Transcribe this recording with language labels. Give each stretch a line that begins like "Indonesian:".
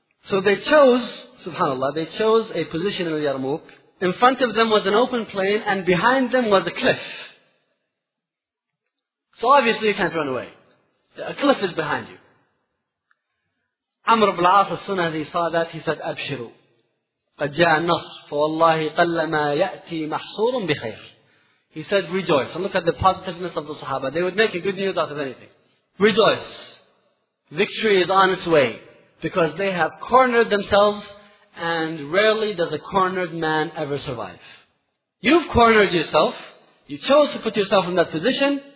English: So they chose, subhanAllah, they chose a position in Yarmouk. In front of them was an open plain, and behind them was a cliff. So obviously you can't run away. A cliff is behind you. Amr ibn al-As, as soon as he saw that, he said, Abshiru.
Arabic: قَدْ جَاءَ النَّصْرُ فَوَاللَّهِ قَلَّ مَا يَأْتِي مَحْصُورٌ بِخَيْرٍ.
English: He said, rejoice. And look at the positiveness of the Sahaba. They would make a good news out of anything. Rejoice. Victory is on its way. Because they have cornered themselves, and rarely does a cornered man ever survive. You've cornered yourself. You chose to put yourself in that position.